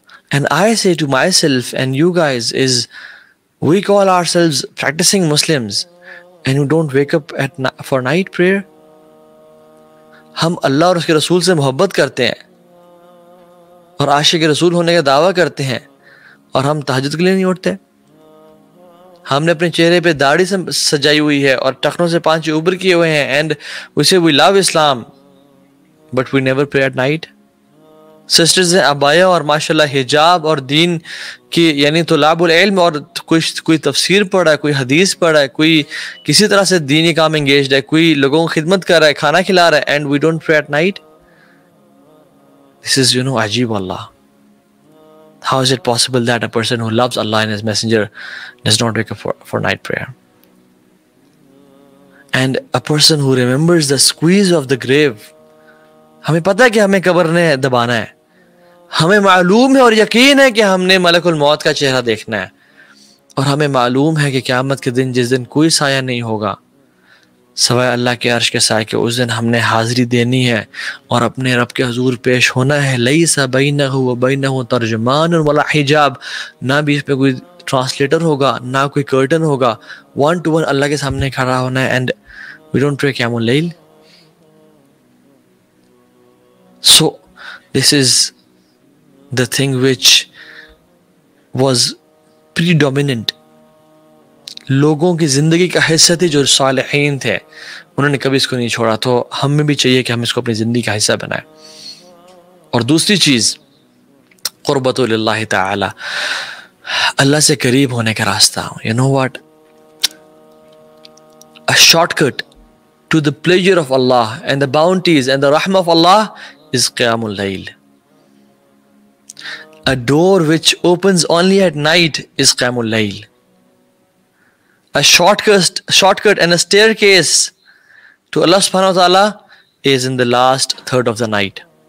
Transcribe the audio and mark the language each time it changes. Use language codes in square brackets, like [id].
[en] And I say to myself and you guys is, we call ourselves practicing Muslims and you don't wake up at for night prayer. [ur] ہم اللہ اور اس کے رسول سے محبت کرتے ہیں اور عاشق رسول ہونے کا دعویٰ کرتے ہیں اور ہم تہجد کے لیے نہیں اٹھتے، ہم نے اپنے چہرے پہ داڑھی سے سجائی ہوئی ہے اور ٹخنوں سے پانچے اوپر کیے ہوئے ہیں، [en] And we say we love Islam but we never pray at night? [ur] Sisters ہیں ابایا اور ماشاء اللہ حجاب اور دین کی، یعنی طلاب العلم، اور کوئی تفسیر پڑھ رہا ہے، کوئی حدیث پڑھ رہا ہے، کوئی کسی طرح سے دینی کام انگیجڈ ہے، کوئی لوگوں کو خدمت کر رہا ہے، کھانا کھلا رہا ہے، [en] And we don't pray at night? This is you know [ur] عجیب اللہ. [en] How is it possible that a person who loves Allah and His Messenger does not wake up for night prayer? And a person who remembers the squeeze of the grave, [ur] ہمیں پتہ ہے کہ ہمیں قبر نے دبانا ہے، ہمیں معلوم ہے اور یقین ہے کہ ہم نے ملک الموت کا چہرہ دیکھنا ہے، اور ہمیں معلوم ہے کہ قیامت کے دن جس دن کوئی سایہ نہیں ہوگا سوائے اللہ کے عرش کے سائے کے، اس دن ہم نے حاضری دینی ہے اور اپنے رب کے حضور پیش ہونا ہے. [ar] لیس بینہ و بینہ ترجمان ولا حجاب، [ur] نہ بھی اس پہ کوئی ٹرانسلیٹر ہوگا، نہ کوئی کرٹن ہوگا، [en] one to one [ur] اللہ کے سامنے کھڑا ہونا ہے. [en] And we don't pray قیام اللیل. So this is the thing which was predominant. [ur] لوگوں کی زندگی کا حصہ تھی جو صالحین تھے، انہوں نے کبھی اس کو نہیں چھوڑا. تو ہمیں بھی چاہیے کہ ہم اس کو اپنی زندگی کا حصہ بنائیں. اور دوسری چیز قربت للہ تعالی، اللہ سے قریب ہونے کا راستہ. [en] You know what, a shortcut to the pleasure of اللہ and the bounties and the رحم of اللہ is قیام اللیل. A door which opens only at night is قیام اللیل. A shortcut and a staircase to Allah subhanahu wa ta'ala is in the last third of the night.